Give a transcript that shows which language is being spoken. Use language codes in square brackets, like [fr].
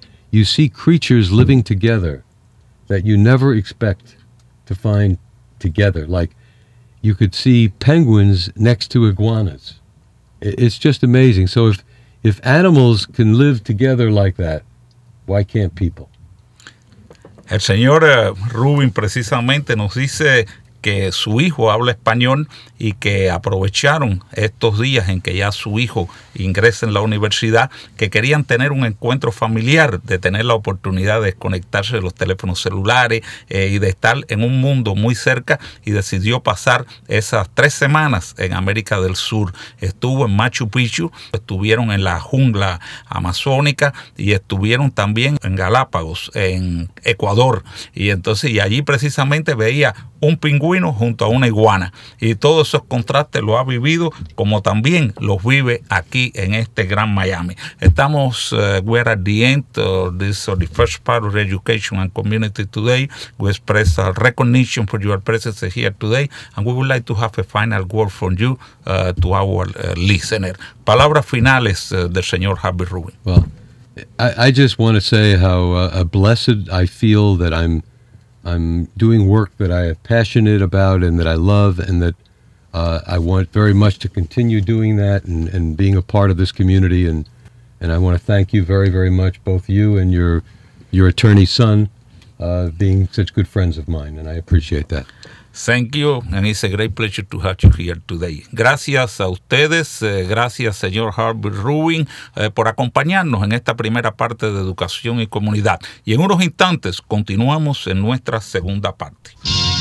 [en] You see creatures living together that you never expect to find together. Like, you could see penguins next to iguanas. It's just amazing. So if animals can live together like that, why can't people? [es] El señor Rubin precisamente nos dice que su hijo habla español y que aprovecharon estos días en que ya su hijo ingresa en la universidad, que querían tener un encuentro familiar, de tener la oportunidad de desconectarse de los teléfonos celulares y de estar en un mundo muy cerca, y decidió pasar esas 3 semanas en América del Sur. Estuvo en Machu Picchu, estuvieron en la jungla amazónica y estuvieron también en Galápagos, en Ecuador. Y allí precisamente veía un pingüino junto a una iguana. Y todos esos contrastes lo ha vivido, como también los vive aquí en este gran Miami. Estamos, [en] we're at the end of this, or the first part of the education and community today. We express our recognition for your presence here today, and we would like to have a final word from you to our listener. [es] Palabras finales del señor Harvey Rubin. [en] Well, I just want to say how blessed I feel that I'm doing work that I am passionate about and that I love, and that I want very much to continue doing that and being a part of this community. And I want to thank you very, very much, both you and your attorney son, being such good friends of mine. And I appreciate that. Thank you, and it's a great pleasure to have you here today. [es] Gracias a ustedes, gracias señor Harvey Rubin por acompañarnos en esta primera parte de Educación y Comunidad. Y en unos instantes continuamos en nuestra segunda parte.